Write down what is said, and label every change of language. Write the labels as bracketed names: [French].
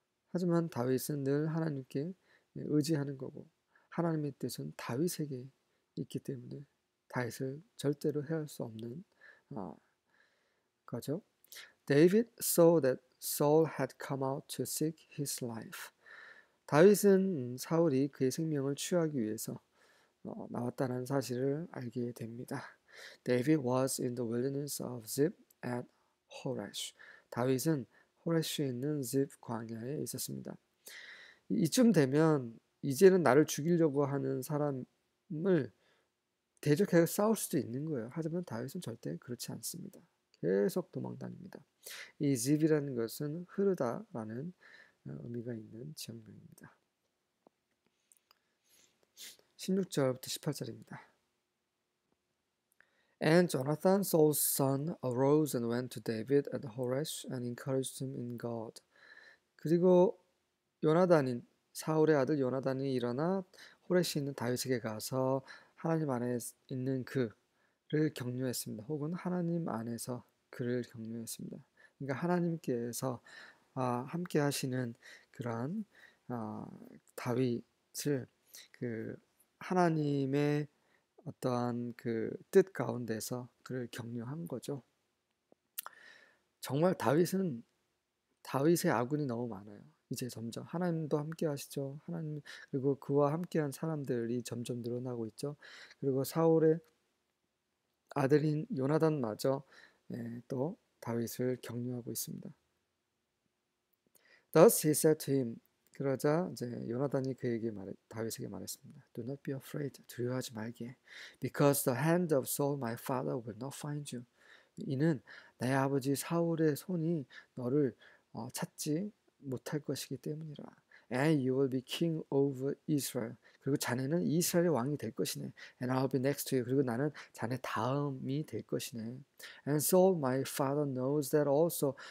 [Korean] 하지만 다윗은 늘 하나님께 의지하는 거고 하나님의 뜻은 다윗에게 있기 때문에 다윗을 절대로 해할 수 없는 거죠. [English] David saw that Saul had come out to seek his life. [Korean] 다윗은 사울이 그의 생명을 취하기 위해서 나왔다는 사실을 알게 됩니다. [English] David was in the wilderness of Ziph at Horesh. [Korean] 다윗은 호레쉬에 있는 Ziph 광야에 있었습니다. 이쯤 되면 이제는 나를 죽이려고 하는 사람을 대적하여 싸울 수도 있는 거예요. 하지만 다윗은 절대 그렇지 않습니다. 계속 도망 다닙니다. 이 집이라는 것은 흐르다라는 의미가 있는 지역명입니다. 16절부터 18절입니다. [English] And Jonathan, Saul's son, arose and went to David at Horesh and encouraged him in God. [Korean] 그리고 요나단인 사울의 아들 요나단이 일어나 호렛에 있는 다윗에게 가서 하나님 안에 있는 그를 격려했습니다. 혹은 하나님 안에서 그를 격려했습니다. 그러니까 하나님께서 함께 하시는 그러한 다윗을 하나님의 어떠한 그뜻 가운데서 그를 격려한 거죠. 정말 다윗은 다윗의 아군이 너무 많아요. 이제 점점 하나님도 함께 하시죠. 하나님 그리고 그와 함께한 사람들이 점점 늘어나고 있죠. 그리고 사울의 아들인 요나단마저 또 다윗을 격려하고 있습니다. [English] Thus he said to him. [Korean] 그러자 이제 요나단이 그에게 다윗에게 말했습니다. [English] Do not be afraid. [Korean] 두려워하지 말게. [English] Because the hand of Saul, my father, will not find you. [Korean] 이는 내 아버지 사울의 손이 너를 찾지 못할 것이기 때문이라. [English] And you will be king over Israel. [Korean] 그리고 자네는 이스라엘의 왕이 될 것이네. [English] And I'll be next to you. [Korean] 그리고 나는 자네 다음이 될 것이네. [English] And so my father knows that also.